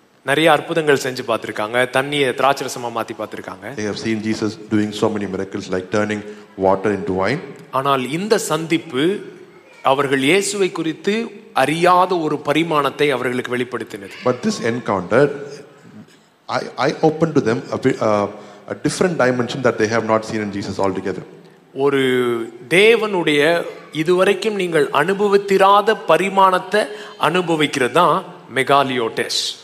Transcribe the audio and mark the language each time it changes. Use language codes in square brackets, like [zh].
[ta] நிறைய அற்புதங்கள் செஞ்சு பார்த்திருக்காங்க. தண்ணியை திராட்சை ரசமா மாத்தி பார்த்திருக்காங்க. [en] They have seen Jesus doing so many miracles like turning water into wine. [ta] ஆனால் இந்த சந்திப்பு அவர்கள் இயேசுவை குறித்து அறியாத ஒரு பரிமாணத்தை அவர்களுக்கு வெளிப்படுத்தினது. [en] But this encounter I opened to them a different dimension that they have not seen in Jesus altogether. [ta] ஒரு தேவனுடைய இதுவரைக்கும் நீங்கள் அனுபவித்திராத பரிமாணத்தை அனுபவிக்கிறதுதான் மெகாலியோடெஸ்.